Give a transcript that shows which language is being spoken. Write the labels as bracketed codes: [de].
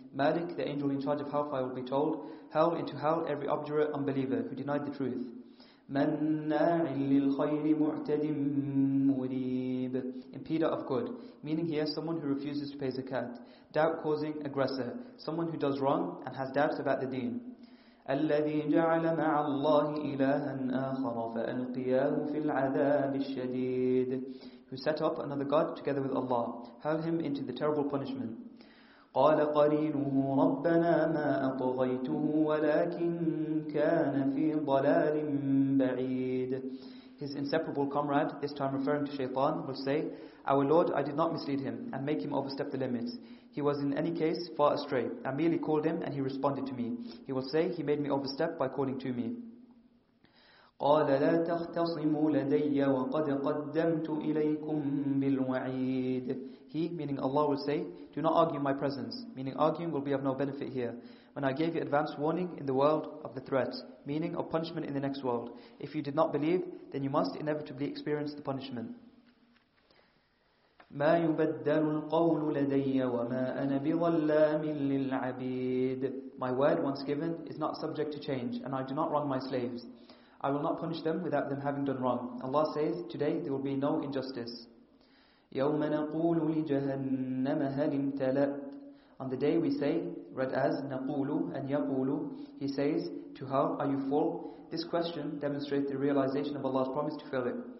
[en] Malik, the angel in charge of hellfire, will be told, Hell into hell every obdurate unbeliever who denied the truth. [ar] مَنَّاعٍ لِلْخَيْرِ مُعْتَدٍ مُرِيبٍ [en] Impeder of good, meaning here someone who refuses to pay zakat. Doubt-causing aggressor, someone who does wrong and has doubts about the deen. [ar] الذي جعل مع الله إلها آخر فألقياه في العذاب الشديد. [en] Who set up another god together with Allah, hurled him into the terrible punishment. [ar] قال قرينه ربنا ما أطغيته ولكن كان في ضلال بعيد. [en] His inseparable comrade, this time referring to Shaytan, will say, Our Lord, I did not mislead him and make him overstep the limits. He was in any case far astray. I merely called him and he responded to me. He will say he made me overstep by calling to me. [ar] قال لا تختصموا لدي وقد قدمت إليكم بالوعيد. [en] He, meaning Allah, will say, Do not argue my presence, meaning arguing will be of no benefit here. When I gave you advance warning in the world of the threat, meaning of punishment in the next world. If you did not believe, then you must inevitably experience the punishment. [ar] ما يبدل القول لدي وما أنا بظلام للعبيد. [en] My word, once given, is not subject to change, and I do not wrong my slaves. I will not punish them without them having done wrong. Allah says, today there will be no injustice. [ar] يوم نقول لجهنم هل امتلأت. [en] On the day we say, read as نقول and يقول, he says, to her, are you full? This question demonstrates the realization of Allah's promise to fill it.